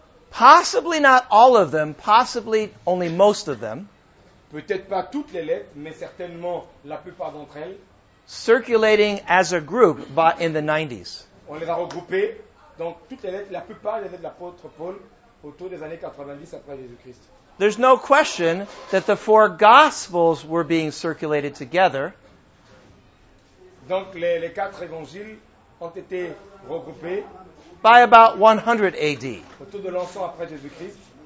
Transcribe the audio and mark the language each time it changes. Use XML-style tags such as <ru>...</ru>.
<en>Possibly not all of them, possibly only most of them.</en> <fr>Peut-être pas toutes les lettres, mais certainement la plupart d'entre elles.</fr> <en>Circulating as a group by in the 90s.</en> <fr>On les a regroupées, donc toutes les lettres, la plupart des lettres de l'apôtre Paul autour des années 90 après Jésus-Christ.</fr> <en>There's no question that the four Gospels were being circulated together.</en> <fr>Donc les quatre évangiles ont été regroupés</fr> <en>by about 100 AD.</en> <fr>Autour de l'ensemble après Jésus-Christ.</fr>